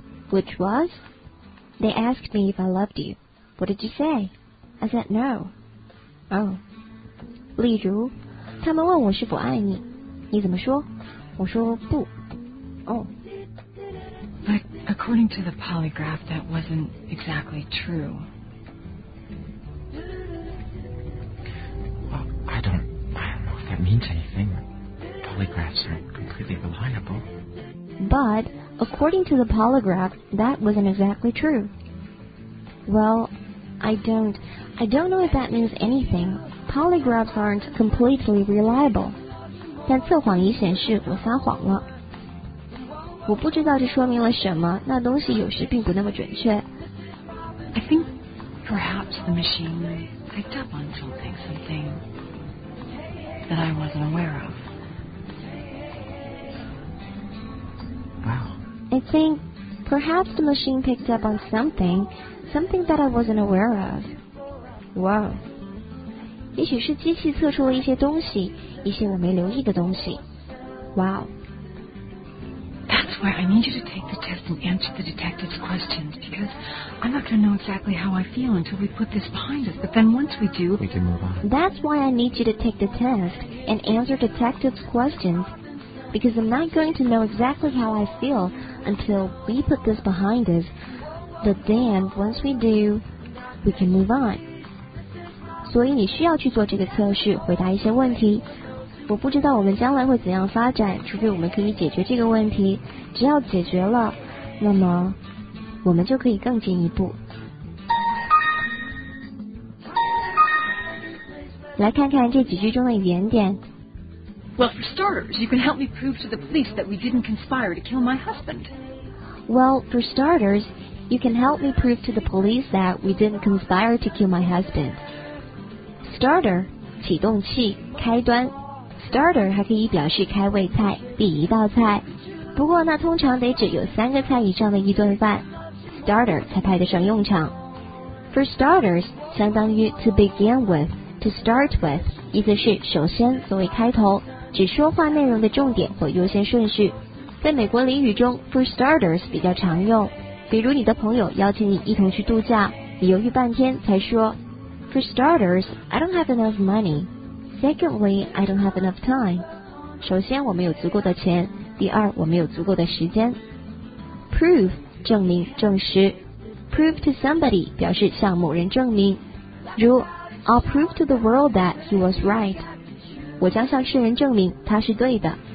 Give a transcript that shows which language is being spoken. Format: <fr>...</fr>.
<en>Which was? They asked me if I loved you. What did you say? I said no. Oh.</en> <zh>例如，他们问我是否爱你，你怎么说？我说不。Oh.</zh> <en>But according to the polygraph, that wasn't exactly true. Well, I don't know if that means anything. Polygraphs are completely reliable. But according to the polygraph, that wasn't exactly true. Well, I don't know if that means anything. Polygraphs aren't completely reliable.</en> <zh>但测谎仪显示我撒谎了。我不知道这说明了什么，那东西有时并不那么准确。</zh> <en>I think perhaps the machine picked up on something that I wasn't aware of. Wow. I think perhaps the machine picked up on something. Something that I wasn't aware of. Wow.</en> <zh>也许是机器测出了一些东西，一些我没留意的东西。</zh> <en>Wow. That's why I need you to take the test and answer the detective's questions, because I'm not going to know exactly how I feel until we put this behind us. But then once we do... We can move on. That's why I need you to take the test and answer detective's questions, because I'm not going to know exactly how I feel until we put this behind us. But then, once we do, we can move on.</en> <zh>所以你需要去做这个测试，回答一些问题。我不知道我们将来会怎样发展，除非我们可以解决这个问题。只要解决了，那么我们就可以更进一步。来看看这几句中的语言点。</zh> <en>Well, for starters, you can help me prove to the police that we didn't conspire to kill my husband. Well, for starters,You can help me prove to the police that we didn't conspire to kill my husband.</en> <zh>Starter, 启动器，开端。Starter 还可以表示开胃菜，第一道菜。不过那通常得指有三个菜以上的一顿饭。 Starter 才派得上用场。For starters, 相当于 to begin with, to start with, 意思是首先作为开头，指说话内容的重点或优先顺序。在美国俚语中 ,for starters 比较常用。比如你的朋友邀请你一同去度假，你犹豫半天才说</zh> <en>For starters, I don't have enough money. Secondly, I don't have enough time.</en> <zh>首先我没有足够的钱，第二我没有足够的时间。 Prove, 证明证实。Prove to somebody, 表示向某人证明。</zh> <en>如 I'll prove to the world that he was right.</en> <zh>我将向世人证明他是对的。</zh>